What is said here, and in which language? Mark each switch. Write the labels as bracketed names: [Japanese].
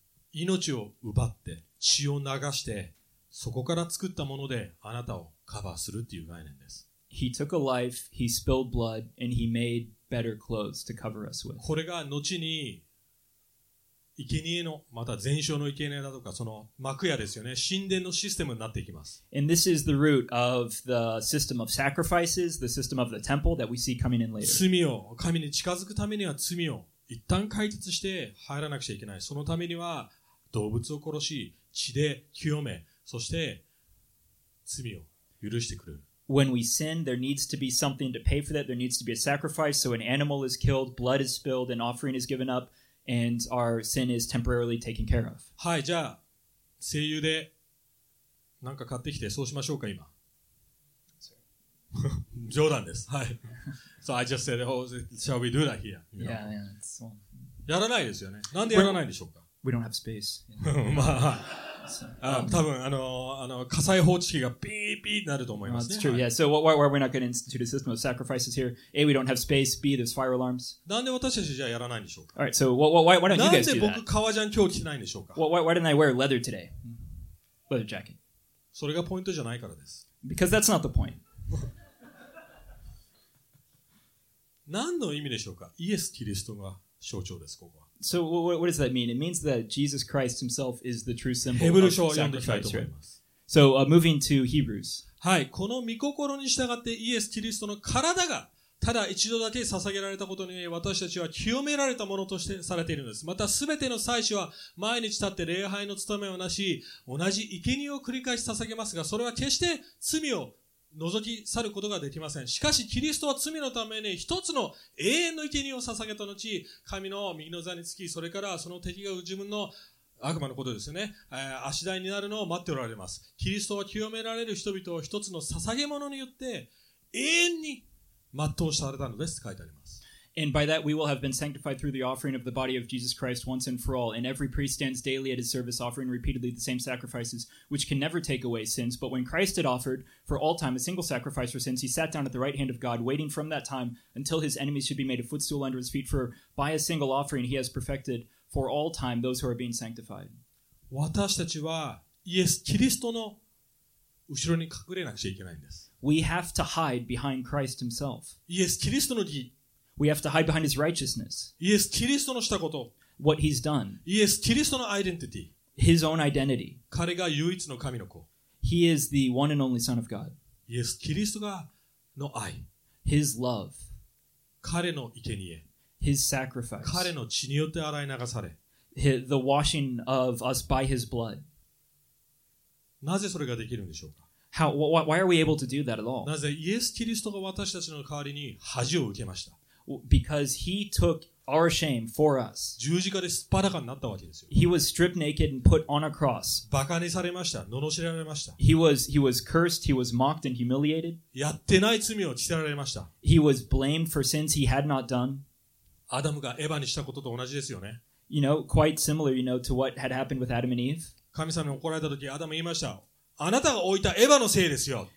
[Japanese] 命を奪って、血を流して、そこから作ったものであなたをカバーするっていう概念です。 [English] He took a life, he spilled blood, and he made better clothes to cover us with. [Japanese] これが後に生贄のまた全焼の生贄だとかその幕屋ですよね神殿のシステムになっていきます。 [English] And this is the root of the system of sacrifices, the system of the temple that we see coming in later. [Japanese] 罪を神に近づくためには罪を一旦解決して入らなくちゃいけない。そのためには動物を殺し血で清めそして罪を許してくれる。 [English] When we sin, there needs to be something to pay for that. There needs to be a sacrifice. So an animal is killed, blood is spilled, an offering is given up. And our sin is temporarily taken care of. [Japanese] はい、じゃあ、声優で何か買ってきて、そうしましょうか、今。冗談です。はい。 [English] So I just said, oh, shall we do that here? Yeah, yeah, it's so... [Japanese] やらないですよね。なんでやらないんでしょうか [English] We don't have space. [Japanese] まあ、多分、火災報知器がピーピーになると思いますね。 [English] That's true, yeah. So why are we not going to institute a system of sacrifices here? A, we don't have space. B, there's fire alarms. [Japanese] なんで私たちじゃやらないんでしょうか [English] All right, so why don't you guys do that? [Japanese] なんで僕、革ジャン今日着てないんでしょうか [English] why didn't I wear leather today? Leather jacket. [Japanese] それがポイントじゃないからです。 [English] Because that's not the point. [Japanese] 何の意味でしょうかイエス・キリストが象徴です、ここは。 [English] So what does that mean? It means that Jesus Christ himself is the true symbol of sacrifice, right? So moving to Hebrews. [Japanese] はい、この御心に従ってイエス・キリストの体がただ一度だけ捧げられたことに私たちは清められたものとしてされているんです。またすべての祭司は毎日立って礼拝の務めをなし、同じ生贄を繰り返し捧げますが、それは決して罪を除き去ることができません。しかしキリストは罪のために一つの永遠の生贄を捧げた後、神の右の座につき、それからその敵が自分の悪魔のことですよね、足台になるのを待っておられます。キリストは清められる人々を一つの捧げ物によって永遠に全うされたのですと書いてあります。 [English] And by that we will have been sanctified through the offering of the body of Jesus Christ once and for all. And every priest stands daily at his service offering repeatedly the same sacrifices, which can never take away sins. But when Christ had offered for all time a single sacrifice for sins, he sat down at the right hand of God, waiting from that time until his enemies should be made a footstool under his feet. For by a single offering he has perfected for all time those who are being sanctified. [Japanese] 私たちはイエス・キリストの後ろに隠れなくちゃいけないんです。 [English] We have to hide behind Christ himself. [Japanese] イエス・キリストの義。 [English] We have to hide behind his righteousness. [Japanese] イエス・キリストのしたこと。 [English] What he's done. [Japanese] イエス・キリストのアイデンティティ。 [English] His own identity. [Japanese] 彼が唯一の神の子。 [English] He is the one and only Son of God. [Japanese] イエス・キリストがの愛。 [English] His love. [Japanese] 彼の生贄。 [English] His sacrifice. [Japanese] 彼の血によって洗い流され。 [English] The washing of us by his blood. [Japanese] なぜそれができるんでしょうか? [English] Why are we able to do that at all? [Japanese] なぜイエス・キリストが私たちの代わりに恥を受けました。 [English] Because he took our shame for us. [Japanese] 十字架で素っ裸になったわけですよ。 [English] He was stripped naked and put on a cross. [Japanese] バカにされました。罵られました。 [English] He was cursed, he was mocked and humiliated. [Japanese] やってない罪を着せられました。 [English] He was blamed for sins he had not done. [Japanese] アダムがエヴァにしたことと同じですよね。 [English] You know, quite similar, you know, to what had happened with Adam and Eve. [Japanese] 神様に怒られた時、アダム言いました。あなたが置いたエヴァのせいですよ。